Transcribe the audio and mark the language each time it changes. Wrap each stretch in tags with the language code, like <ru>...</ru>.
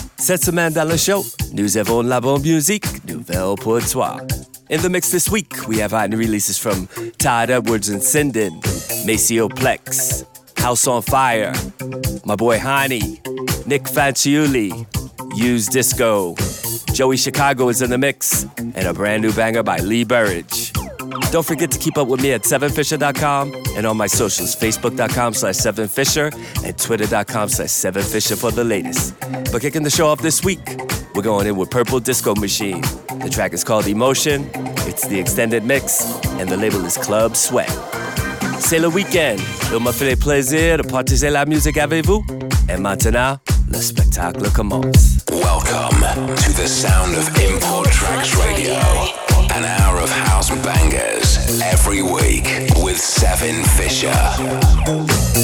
<fr>Cette semaine dans le show, nous avons la bonne musique nouvelle pour toi.</fr> <en>In the mix this week, we have hot new releases from Todd Edwards and Sinden, Maceo Plex, House on Fire, my boy Hani, Nick Fanciulli, Use Disco, Joey Chicago is in the mix, and a brand new banger by Lee Burridge. Don't forget to keep up with me at 7fisher.com and on my socials, facebook.com/7fisher and twitter.com/7fisher for the latest. But kicking the show off this week, we're going in with Purple Disco Machine. The track is called Emotion, it's the extended mix, and the label is Club Sweat.</en> <fr>C'est le week-end, il m'a fait le plaisir de partager la musique avec vous, et maintenant, le spectacle commence.</fr> <en>Welcome to the sound of Import Tracks Radio. An hour of house bangers every week with Seven Fisher.</en>